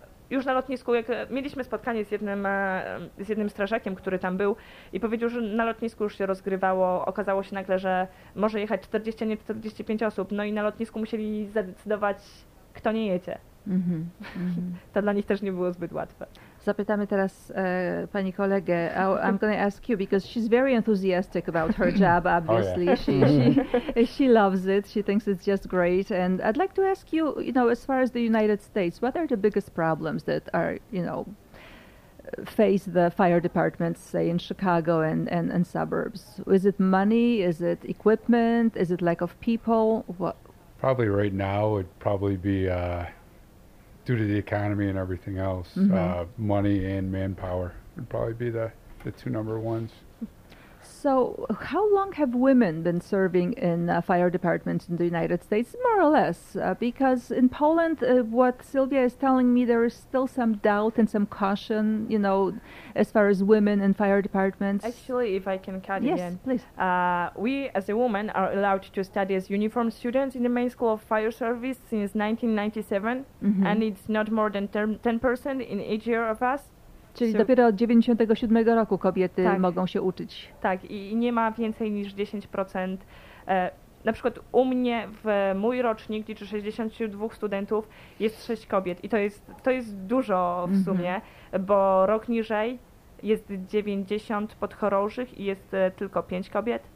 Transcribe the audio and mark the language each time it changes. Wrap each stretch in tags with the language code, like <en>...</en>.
<pl>już na lotnisku, jak mieliśmy spotkanie z jednym strażakiem, który tam był i powiedział, że na lotnisku już się rozgrywało, okazało się nagle, że może jechać 40, a nie 45 osób, no i na lotnisku musieli zadecydować, kto nie jedzie. To dla nich też nie było zbyt łatwe. Zapytamy teraz pani kolegę.</pl> <en>I'm going to ask you because she's very enthusiastic about her job, obviously. Oh, yeah. she loves it. She thinks it's just great. And I'd like to ask you, you know, as far as the United States, what are the biggest problems that are, you know, face the fire departments, say, in Chicago and suburbs? Is it money? Is it equipment? Is it lack of people? What? Probably right now it'd probably be... due to the economy and everything else, money and manpower would probably be the two number ones. So how long have women been serving in fire departments in the United States, more or less? Because in Poland, what Sylvia is telling me, there is still some doubt and some caution, you know, as far as women in fire departments. Actually, if I can cut yes, in. Yes, please. We, as a woman, are allowed to study as uniformed students in the main school of fire service since 1997, and it's not more than 10% in each year of us.</en> <pl>Czyli dopiero od 97 roku kobiety tak. mogą się uczyć. Tak, i nie ma więcej niż 10%. Na przykład u mnie w mój rocznik liczy 62 studentów, jest 6 kobiet. I to jest dużo w sumie, bo rok niżej jest 90 podchorążych i jest tylko 5 kobiet.</pl>